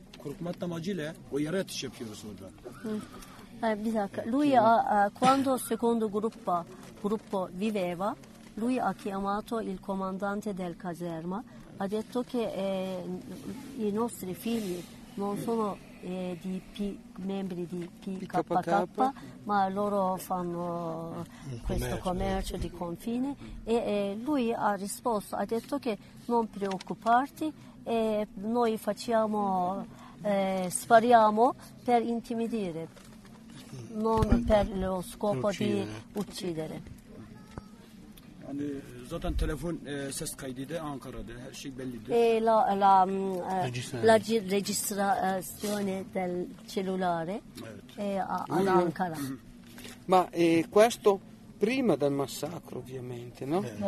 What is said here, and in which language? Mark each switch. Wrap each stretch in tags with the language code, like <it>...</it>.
<tr>Korkmak amacıyla o yara atış yapıyoruz orada. Bir dakika.</tr> <it>Lui, quando secondo gruppo viveva, lui ha chiamato il comandante del caserma, ha detto che i nostri figli non sono di membri di PKK, ma loro fanno questo commercio di confine, e lui ha risposto, ha detto che non preoccuparti, noi facciamo spariamo per intimidire, non per lo scopo di uccidere.</it> <tr>Hani zaten telefon ses kaydıydı Ankara'da, her şey bellidir.</tr> <it>La registrazione del cellulare ad Ankara. Ma questo prima del massacro ovviamente, no?</it>